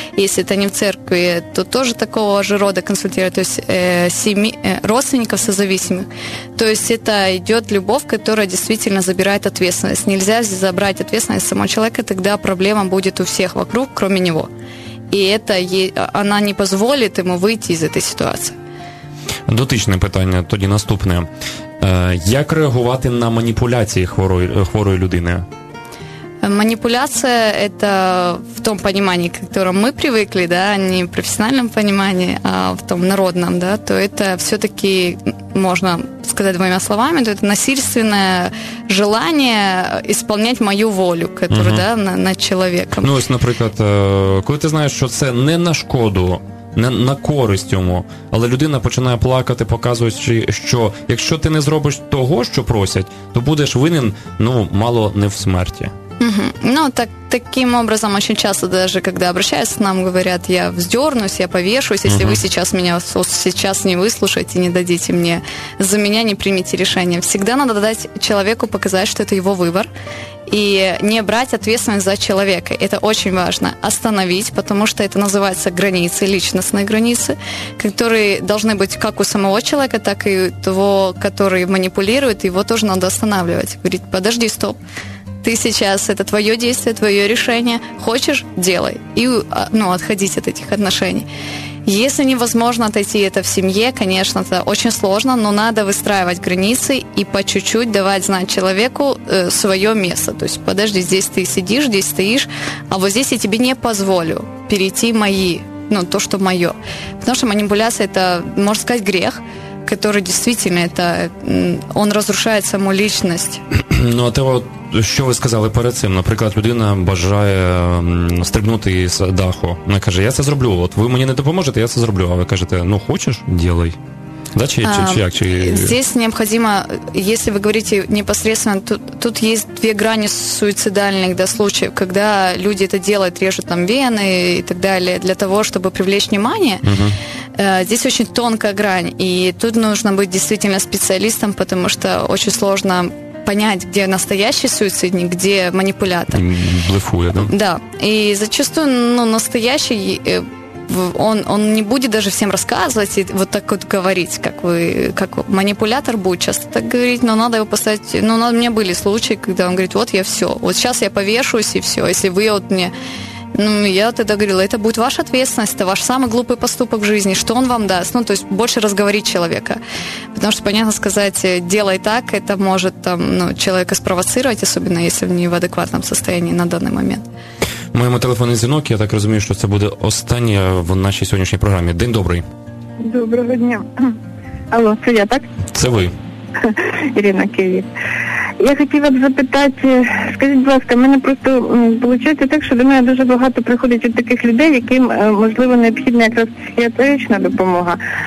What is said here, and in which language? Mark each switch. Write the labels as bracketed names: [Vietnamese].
[Russian] Если это не в церкви, то тоже такого же рода консультирование, то есть родственников созависимых. То есть это идет любовь, которая действительно забирает ответственность. Нельзя забрать ответственность самого человека, тогда проблема будет у всех вокруг, кроме него. И это она не позволит ему выйти из этой ситуации. [Ukrainian] Дотичное питание, тоді наступное. Як реагувати на маніпуляції хворої людини? Маніпуляція – це в тому розумінні, до якого ми звикли, да, не в професійному розумінні, а в тому народному, да, то це все-таки, можна сказати двома словами, то це насильственне желання виконувати мою волю, яку, угу, да, над чоловіком. Ну, ось, наприклад, коли ти знаєш, що це не на шкоду, не на користь йому, але людина починає плакати, показуючи, що якщо ти не зробиш того, що просять, то будеш винен, ну, мало не в смерті. Угу. Ну, так, таким образом, дуже часто, навіть коли обращаються, нам говорять, я вздернусь, я повешусь, якщо ви зараз мене зараз не вислушаєте, не дадите мені, за мене не приймете рішення. Всегда треба дати чоловіку показати, що це його вибір. [Russian] И не брать ответственность за человека. Это очень важно. Остановить, потому что это называется границы, личностные границы, которые должны быть как у самого человека, так и того, который манипулирует, его тоже надо останавливать. Говорит, подожди, стоп. Ты сейчас, это твое действие, твое решение. Хочешь, делай. И, ну, отходить от этих отношений. Если невозможно отойти это в семье, конечно, это очень сложно, но надо выстраивать границы и по чуть-чуть давать знать человеку свое место. То есть подожди, здесь ты сидишь, здесь стоишь, а вот здесь я тебе не позволю перейти мои, ну, то, что мое. Потому что манипуляция – это, можно сказать, грех, который действительно, это он разрушает саму личность. [Ukrainian] Ну, а ты вот, що ви сказали перед цим? Наприклад, людина бажає стрибнути із даху. Вона каже, я це зроблю. От ви мені не допоможете, я це зроблю. А ви кажете, ну хочеш, делай. Да, чи як? [Russian] Здесь необходимо, если вы говорите непосредственно, тут есть две грани суицидальных, да, случаев, когда люди это делают, режут там вены и так далее, для того, чтобы привлечь внимание. Здесь очень тонкая грань, и тут нужно быть действительно специалистом, потому что очень сложно понять, где настоящий суицидник, где манипулятор. Блефует, да? Да. И зачастую, ну, настоящий он не будет даже всем рассказывать и вот так вот говорить, как вы, как манипулятор будет часто так говорить, но надо его поставить. Ну, у меня были случаи, когда он говорит, вот я все, вот сейчас я повешусь и все, если вы вот мне. Ну, я тогда говорила, это будет ваша ответственность, это ваш самый глупый поступок в жизни, что он вам даст? Ну, то есть больше разговорить человека. Потому что, понятно, сказать, делай так, это может там, ну, человека спровоцировать, особенно если он не в адекватном состоянии на данный момент. [Ukrainian] Моему телефону дзвінок, я так розумію, що це буде останнє в нашій сьогоднішній програмі. День добрий. Доброго дня. Алло, це я, так? Це ви. Ірина Київ. Я хотіла б запитати, скажіть, будь ласка, в мене просто виходить так, що до мене дуже багато приходить від таких людей, яким, можливо, необхідна якраз психіатрична допомога.